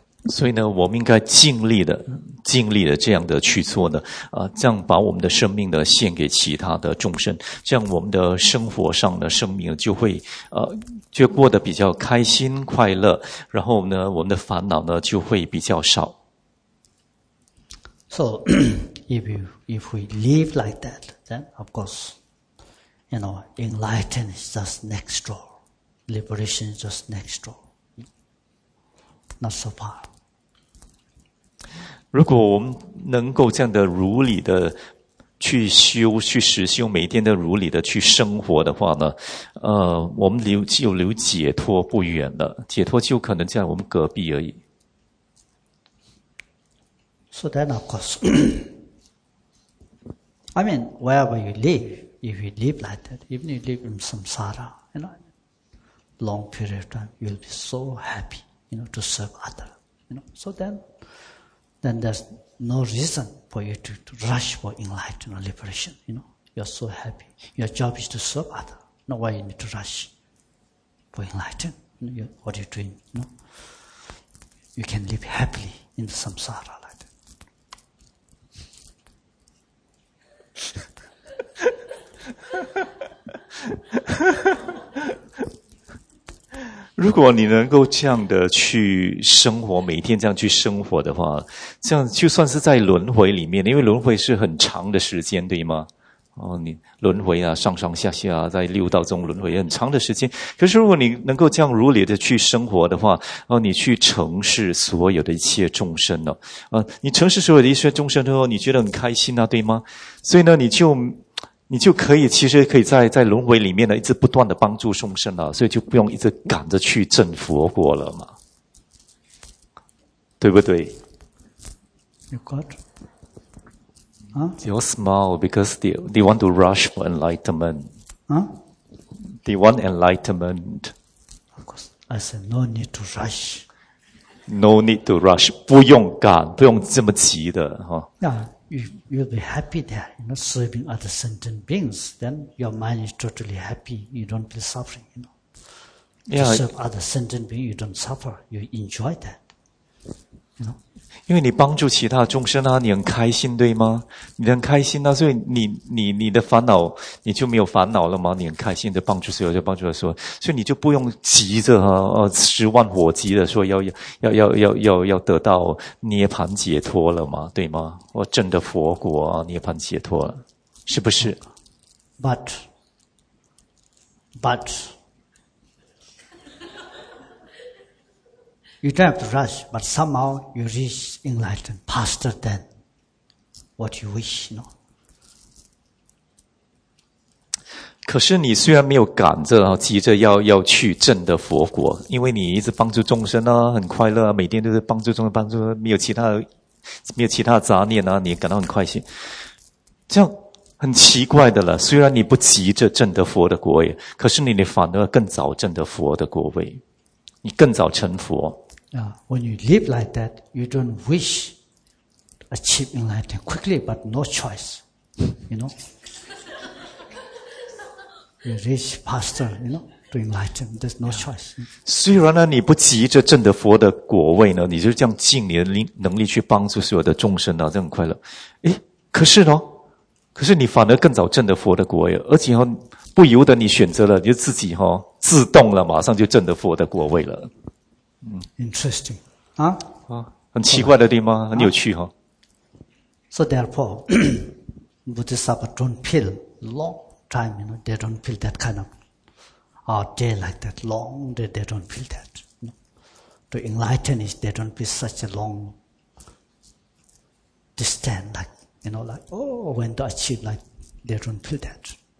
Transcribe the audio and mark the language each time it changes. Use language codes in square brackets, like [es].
[zh] 所以呢，我们应该尽力的这样的去做呢，这样把我们的生命呢献给其他的众生，这样我们的生活上的生命就会就过得比较开心快乐，然后呢，我们的烦恼呢就会比较少。 [en] So, if we live like that, then of course. You know, enlightenment is just next door. Liberation is just next door. Not so far. [zh] 如果我们能够这样的如理的去修，去实修，每天的如理的去生活的话呢，我们就留解脱不远了。解脱就可能在我们隔壁而已。 [en] So then, of course, I mean, wherever you live,If you live like that, even if you live in samsara, you know, long period of time, you'll be so happy, you know, to serve other, you know. So then there's no reason for you to rush for enlightenment or liberation, you know. You're so happy. Your job is to serve other. No, why you need to rush for enlightenment? You know, what are you doing, you know? You can live happily in samsara like that. [zh] 如果你能够这样的去生活，每天这样去生活的话，这样就算是在轮回里面，因为轮回是很长的时间，对吗？哦，你轮回啊，上上下下，在六道中轮回很长的时间。可是如果你能够这样如理的去生活的话，你去诚实所有的一切众生呢、你诚实所有的一切众生之后，你觉得很开心啊，对吗？所以呢，你就可以，其实可以在轮回里面呢，一直不断的帮助众生了，所以就不用一直赶着去证佛果了嘛，对不对 [en] ？You got? You smile because they want to rush for enlightenment. They want enlightenment. Of course, I said no need to rush. No need to rush. [zh] 不用赶，不用这么急的哈。 [en] You'll be happy there, you know, serving other sentient beings. Then your mind is totally happy. You don't feel suffering, you know. Yeah, to serve other sentient beings, you don't suffer. You enjoy that, you know. [zh] 因为你帮助其他众生啊，你很开心，对吗？你很开心啊，所以你的烦恼你就没有烦恼了吗？你很开心的帮助所有，就帮助所有，所以你就不用急着啊，十万火急的说要得到涅槃解脱了吗？对吗？我证得佛果啊，涅槃解脱了，是不是 [en] ？But You don't have to rush, but somehow you reach enlightenment faster than what you wish, you know. [zh] 可是你虽然没有赶着急着要去证得佛果，因为你一直帮助众生啊，很快乐啊，每天都是帮助众生，帮助没有其他的杂念啊，你感到很开心。这样很奇怪的了，虽然你不急着证得佛的果位，可是你反而更早证得佛的果位，你更早成佛。 [en] Yeah, when you live like that, you don't wish to achieve enlightenment quickly, but no choice. You know? You reach faster, you know, to enlightenment. There's no choice. [zh] 虽然呢，你不急着证得佛的果位呢，你就这样尽你的能力去帮助所有的众生啊，这样快乐。诶，可是你反而更早证得佛的果位，而且哈，不由得你选择了，你就自己哈，自动了，马上就证得佛的果位了。 [en] Interesting, [zh] 很奇怪的地方，很有趣哈。 [en] So therefore, Buddhist don't feel long time, you know, they don't feel that kind of day like that, long day, they don't feel that. To enlighten is they don't be such a long distance, like, you know, like, oh, when to achieve, like, they don't feel that.